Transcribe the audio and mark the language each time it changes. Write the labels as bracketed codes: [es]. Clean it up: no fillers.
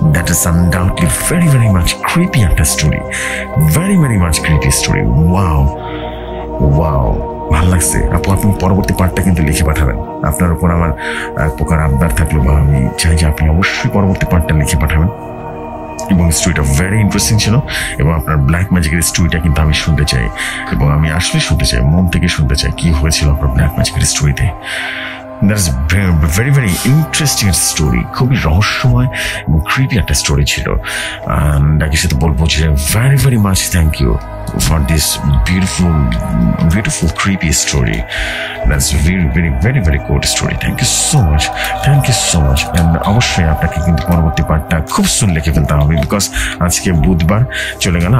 [en] It's undoubtedly very, very much creepy at the story. Very, very much creepy story. [bn] Wow. Wow. ভালো লাগছে। আপু আপনি পরবর্তী পার্টটা কিন্তু লিখে পাঠাবেন, আপনার উপর আমার এক প্রকার আবদার থাকলো, বা আমি চাই যে আপনি অবশ্যই পরবর্তী পার্টটা লিখে পাঠাবেন। এবং স্টোরিটা ভেরি ইন্টারেস্টিং ছিল এবং আপনার ব্ল্যাক ম্যাজিকের স্টোরিটা কিন্তু আমি শুনতে চাই, এবং আমি আসলে শুনতে চাই, মন থেকে শুনতে চাই কী হয়েছিল আপনার ব্ল্যাক ম্যাজিকের স্টোরিতে। [en] That is very, very interesting story. [bn] খুবই রহস্যময় এবং ক্রিপি একটা স্টোরি ছিল। অ্যান্ড আগের সাথে বলবো যে [en] Very very much thank you for this beautiful beautiful creepy story. That's very very very very good story. Thank you so much, thank you so much. [bn] And অবশ্যই আপনাকে কিন্তু পরবর্তী পার্টটা খুব সুন্দর লিখে ফেলতে হবে, বিকজ আজকে বুধবার চলে গেল।